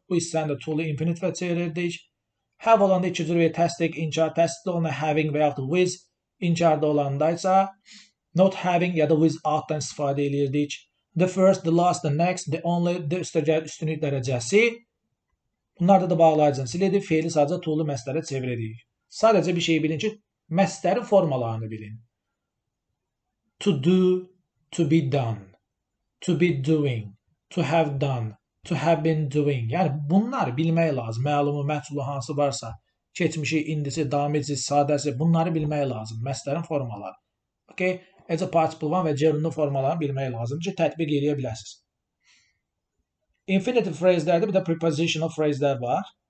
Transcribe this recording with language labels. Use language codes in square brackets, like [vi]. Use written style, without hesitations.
[az] Bu hissəni də to-lu infinite-və çevirirdik. Have olanda iki cür bir təsdiq, inkar, təsdiq olanda having və yaxud with, inkarda olandaysa, not having ya da without-dan istifadə edirdik. [en] The first, the last, the next, the only, the [az] üstünlük dərəcəsi. Bunlarda da bağlayıcını silirdik, fiili sadəcə to-lu məsələrə çevirirdik. Sadəcə bir şey bilin ki, Məsdəri formalarını bilin. [en] To do, to be done, to be doing, to have done, to have been doing. [az] Yəni bunlar bilmək lazım. Məlumu, məhzulu hansı varsa, keçmişi, indisi, damici, sadəsi bunları bilmək lazım. Məsdərin formaları. Okay? As a participle one və gerundu formalarını bilmək lazım ki, tətbiq edə biləsiniz. Infinitive phrase-lərdə bir də prepositional phrase-lər var.